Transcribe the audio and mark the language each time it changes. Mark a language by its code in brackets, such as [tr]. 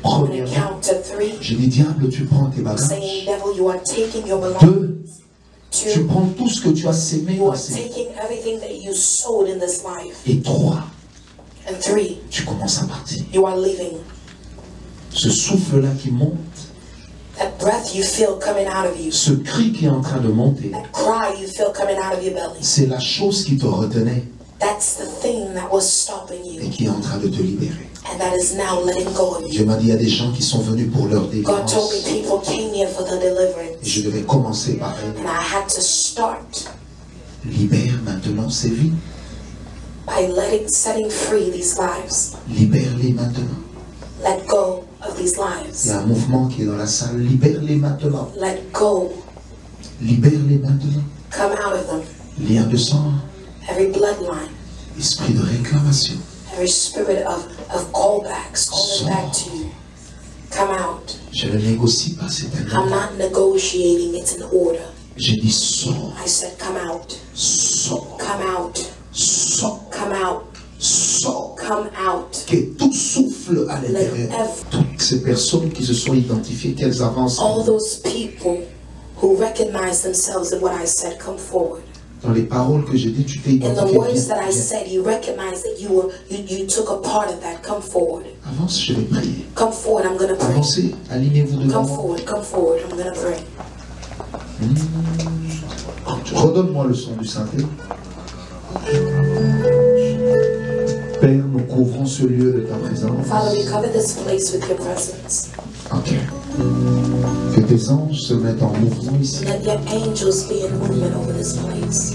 [fr] Premièrement, je dis, diable, tu prends tes bagages. [en] Saying, devil, you are taking your belongings. [fr] Deux, tu prends tout ce que tu as sémé. [en] You are taking everything that you sowed in this life. [fr] Et trois, [en] and three, [fr] tu commences à partir. [en] You are leaving. [fr] Ce souffle-là qui monte. [en] That breath you feel coming out of you. [fr] Ce cri qui est en train de monter. [en] That cry you feel coming out of your belly. [fr] C'est la chose qui te retenait. [en] That's the thing that was stopping you. [fr] Et qui est en train de te libérer. [en] And that is now letting go of you. [fr] Dieu m'a dit, il y a des gens qui sont venus pour leur délivrance. [en] God told me people came here for their deliverance. [fr] Et je devais commencer par eux. [en] And I had to start. [fr] Libère maintenant ces vies. [en] By setting free these lives. [fr] Libère-les maintenant. [en] Let go. Of these lives. [fr] Il y a un mouvement qui est dans la salle. Libère-les maintenant. [en] Let go. [fr] Libère-les maintenant. [en] Come out of them. [fr] Lien de sang. [en] Every bloodline. [fr] Esprit de réclamation. [en] Every spirit of callbacks calling back to you. Come out. [fr] Je ne négocie pas, c'est un ordre. [en] I'm not negotiating. It's an order. [fr] J'ai dit sort. [en] I said come out. [fr] Sort. [en] Come out. [fr] Sort. [en] Come out. [fr] Sors. [en] Come out. [fr] Que tout souffle à l'intérieur. Toutes ces personnes qui se sont identifiées, qu'elles avancent. [en] All those people who recognize themselves in what I said, come forward. [fr] Dans les paroles que j'ai dit, tu t'es identifié. [en] In the words that I said, you recognize that you were, you took a part of that. Come forward. [fr] Avance, je vais prier. [en] Come forward, I'm going to pray. [fr] Avancez, alignez-vous devant. [en] Come forward, come forward, I'm going to pray. [fr] Redonne-moi le son du Saint-Esprit. Père, nous couvrons ce lieu de ta présence. [en] Father, we cover this place with your presence. Ok. [fr] Que tes anges se mettent en mouvement ici. [en] Let your angels be in movement over this place.